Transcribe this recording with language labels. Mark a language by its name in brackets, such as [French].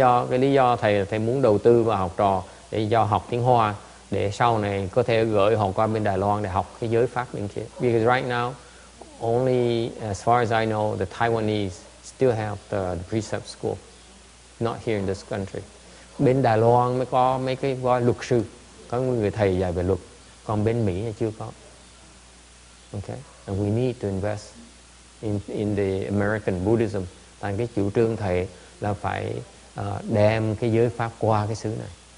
[Vietnamese] Lý do thầy thầy muốn đầu tư vào học trò để do học tiếng Hoa để sau này có thể gửi họ qua bên Đài Loan để học cái giới pháp bên kia. [English] Because right now, only as far as I know, the Taiwanese still have the precept school, not here in this country. [Vietnamese] Bên Đài Loan mới có mấy cái gọi luật sư, có người thầy dạy về luật, còn bên Mỹ thì chưa có. [English] Okay, and we need to invest in the American Buddhism. [Vietnamese] Tại cái chủ trương thầy là phải đem cái giới pháp qua cái xứ này.